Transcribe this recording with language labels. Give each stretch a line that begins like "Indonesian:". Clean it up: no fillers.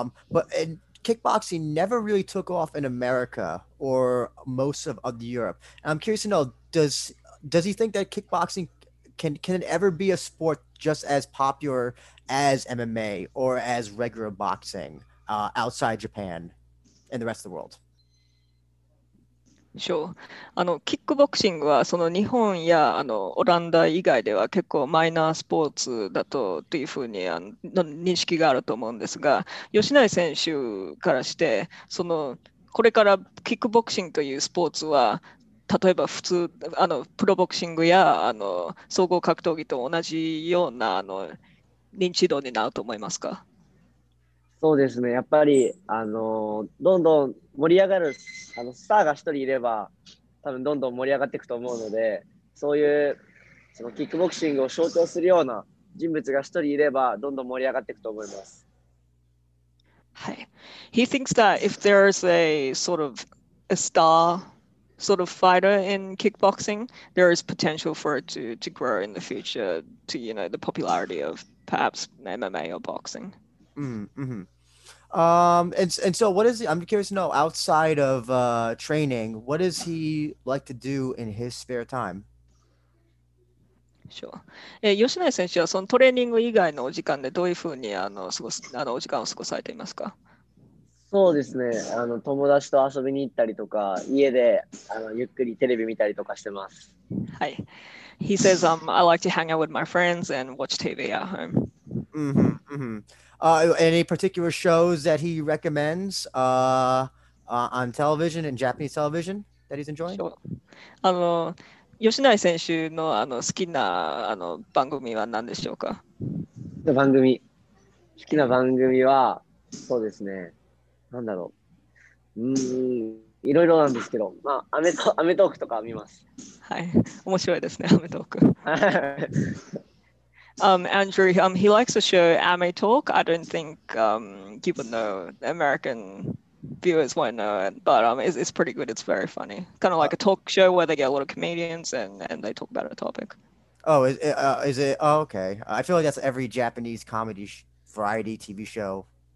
English: But and kickboxing never really took off in America or most of Europe. And I'm curious to know, does he think that kickboxing can it ever be a sport just as popular as MMA or as regular boxing outside Japan and the rest of the world?
Japanese: そう、あのキックボクシングはその日本やあのオランダ以外では結構マイナースポーツだとというふうにあの認識があると思うんですが、吉成選手からしてそのこれからキックボクシングというスポーツは例えば普通あのプロボクシングやあの総合格闘技と同じようなあの認知度になると思いますか？そうですね、やっぱりあのどんどん盛り上がるあのスターが一人いれば多分どんどん盛り上がっていくと思うので、そういうそのキックボクシングを象徴するような人物が一人いればどんどん盛り上がっていくと思います。はい、
English: He thinks that if there's a sort of a star sort of fighter in kickboxing, there is potential for it to grow in the future to, you know, the popularity of perhaps MMA or boxing. And so what is he, I'm curious to know, outside of training, what does he like to do in his spare time? Sure.
Japanese: 吉成選手はそのトレーニング以外のお時間でどういうふうにあの過ごすあのお時間を過ごされていますか？そうですね、あの友達と遊びに行ったりとか、家であのゆっくりテレビ見たりとかしてます。はい、
English: He says I like to hang out with my friends and watch TV at home. Any particular shows that he recommends on television and Japanese television that he's enjoying? Sure.
Japanese: あの吉成選手のあの好きなあの番組は何でしょうか？番組、好きな番組はそうですね、なんだろう、いろいろなんですけど、まあアメトークとか見ます。はい、面白いですね、アメトーク。
English: Andrew, he likes the show Ame Talk. I don't think people know, American viewers won't know it, but it's pretty good. It's very funny. Kind of like a talk show where they get a lot of comedians and they talk about a topic. Oh, is it? Oh, okay. I feel like that's every Japanese comedy variety TV show.